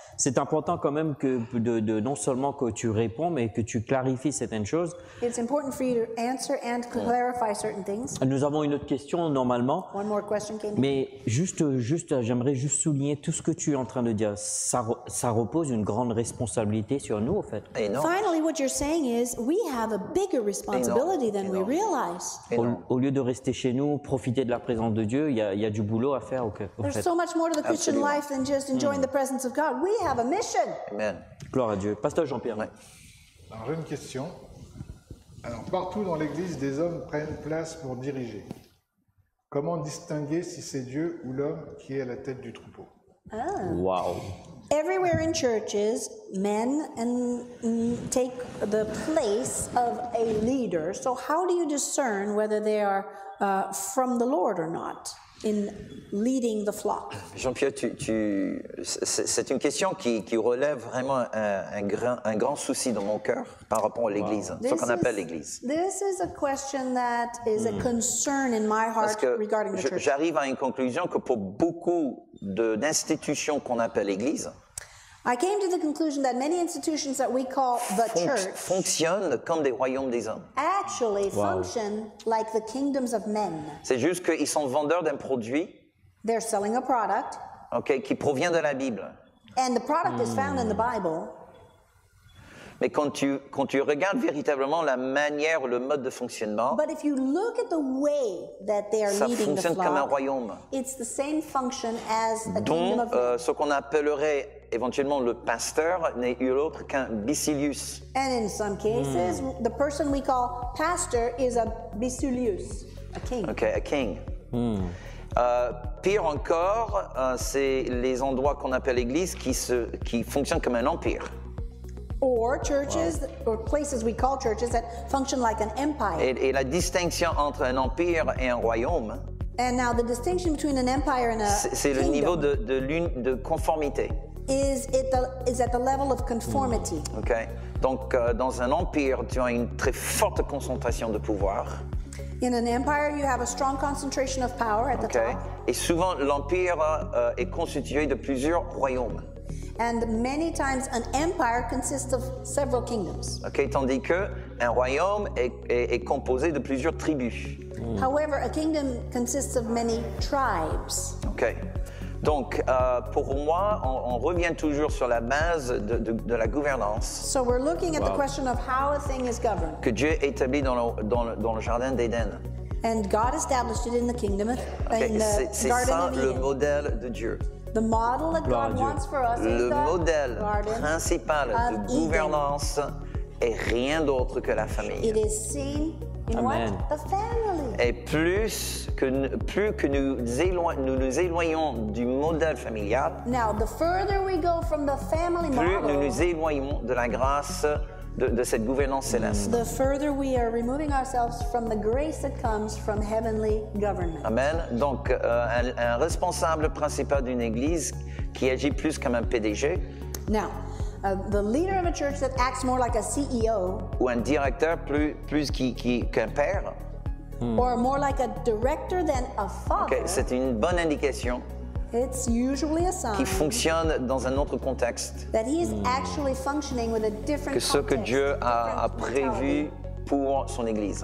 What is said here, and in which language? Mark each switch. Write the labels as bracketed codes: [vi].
[fr] C'est important quand même que de non seulement que tu réponds, mais que tu clarifies certaines choses. [en] It's important for you to answer and to clarify certain things. [fr] Nous avons une autre question normalement. [en] One more question came. [fr] Mais juste, j'aimerais juste souligner tout ce que tu es en train de dire. Ça repose une grande responsabilité sur nous, en fait. [en] Finally, what you're saying is we have a bigger responsibility than we realize. [fr] Au lieu de rester chez nous, profiter de la présence de Dieu, il y a du boulot à faire. [en] There's so much more to the Christian Absolutely. Life than just enjoying the presence of God. We have a mission. Amen. [fr] Gloire à Dieu. Pasteur Jean-Pierre. Ouais. Alors, j'ai une question. Alors, partout dans l'Église, des hommes prennent place pour diriger. Comment distinguer si c'est Dieu ou l'homme qui est à la tête du troupeau? Ah. Wow. [en] Everywhere in churches, men and take the place of a leader. So how do you discern whether they are from the Lord or not in leading the flock? [fr] Jean-Pierre, c'est une question qui relève vraiment un grand souci dans mon cœur par rapport à l'Église, ce qu'on appelle l'Église. [en] This is a question that is a concern in my heart regarding the church. [fr] J'arrive à une conclusion que pour beaucoup d'institutions qu'on appelle l'Église, [en] I came to the conclusion that many institutions that we call the church [fr] fonctionnent comme des royaumes des hommes. [en] Actually function like the kingdoms of men. [fr] C'est juste qu'ils sont vendeurs d'un produit. [en] They're selling a product. [fr] Okay, qui provient de la Bible. [en] And the product is found in the Bible. [fr] Mais quand tu regardes véritablement la manière, le mode de fonctionnement, [en] but if you look at the way that they are leading the flock, [fr] ça fonctionne comme un royaume. [en] It's the same function as a [fr] dont, [en] kingdom of men. [fr] Ce qu'on appellerait éventuellement le pasteur n'est eu l'autre qu'un bisilius. [en] And in some cases, the person we call pastor is a bisilius, a king. Okay, a king. [fr] Pire encore, c'est les endroits qu'on appelle église qui fonctionnent comme un empire. [en] Or churches, or places we call churches that function like an empire. [fr] Et la distinction entre un empire et un royaume, [en] and now the distinction between an empire and a [fr] kingdom, c'est le niveau de conformité. [en] Is at the level of conformity. Okay. [fr] Donc dans un empire, tu as une très forte concentration de pouvoir. [en] In an empire, you have a strong concentration of power at the top. [fr] Et souvent l'empire est constitué de plusieurs royaumes. [en] And many times an empire consists of several kingdoms. [fr] Okay, tandis que un royaume est composé de plusieurs tribus. [en] However, a kingdom consists of many tribes. Okay. [fr] Donc, pour moi, on revient toujours sur la base de la gouvernance. [en] So we're looking at the question of how a thing is governed. [fr] Que Dieu établit dans le jardin d'Éden. [en] And God established it in the kingdom of [fr] c'est [en] garden [fr] ça [en] of Eden. [fr] Le modèle de Dieu. [en] The model that God wants for us [fr] le [en] is the [fr] modèle principal [en] of [fr] de gouvernance [en] Eden. [fr] Est rien d'autre que la famille. [en] It is seen Amen. The family. [fr] Et plus que nous éloignons du modèle familial, [en] now, the further we go from the family model, [fr] plus nous nous éloignons de la grâce de cette gouvernance céleste. [en] The further we are removing ourselves from the grace that comes from heavenly government. Amen. [fr] Donc, un responsable principal d'une église qui agit plus comme un PDG. [en] Now, the leader of a church that acts more like a CEO. [fr] Ou un directeur plus qu'un père. [en] Or more like a director than a father. [fr] Okay, c'est une bonne indication. [en] It's usually a sign. [fr] Qui fonctionne dans un autre contexte. [en] That he is actually functioning with a different [fr] que [en] context. [fr] Que ce que Dieu a prévu pour son église.